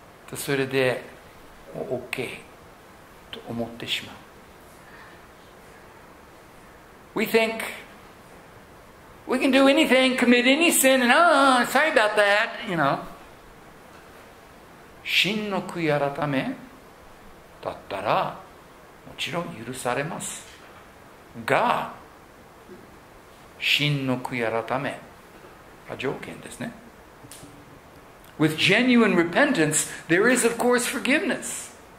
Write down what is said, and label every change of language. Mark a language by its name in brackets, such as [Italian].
[Japanese] と、それで、OK と思ってしまう。 [English] We think we can do anything, commit any sin, and sorry about that, you know. [Japanese] 真の悔い改めだったら、もちろん許されます。が、真の悔い改めは条件ですね。 [English] With genuine repentance, there is of course forgiveness.